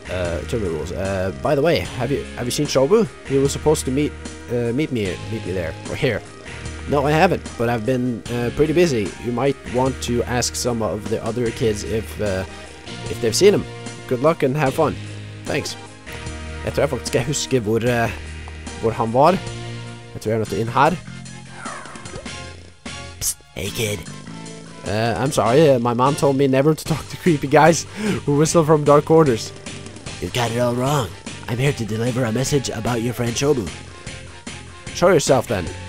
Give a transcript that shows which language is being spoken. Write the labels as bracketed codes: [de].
[en] By the way, have you seen Shobu? He was supposed to meet me there or here. No, I haven't, but I've been pretty busy. You might want to ask some of the other kids if they've seen him. Good luck and have fun. Thanks. [no] Jeg tror jeg faktisk jeg husker hvor han var. Jeg tror jeg nødt til inn her. [en] Psst, hey kid. I'm sorry, my mom told me never to talk to creepy guys who whistle from dark corners. You've got it all wrong. I'm here to deliver a message about your friend Shobu. Show yourself then.